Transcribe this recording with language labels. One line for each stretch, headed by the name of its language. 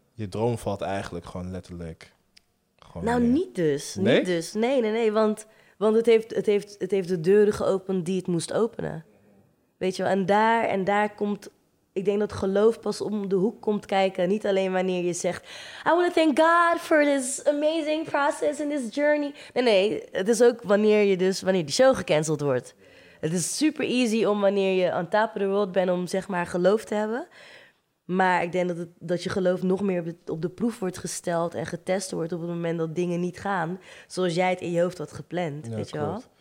Dutch: Je droom valt eigenlijk gewoon letterlijk. Niet dus. Nee. Want het heeft de deuren geopend die het moest openen. Weet je wel, en daar komt... Ik denk dat geloof pas om de hoek komt kijken. Niet alleen wanneer je zegt...
English: I want to thank God for this amazing process and this journey.
Dutch: Nee, het is ook wanneer die show gecanceld wordt. Het is
English: super easy
Dutch: om wanneer je
English: on top of the world
Dutch: bent... om zeg maar geloof te hebben. Maar ik denk dat je geloof nog meer op de proef wordt gesteld... en getest wordt op het moment dat dingen niet gaan... zoals jij het in je hoofd had gepland, ja, weet je wel.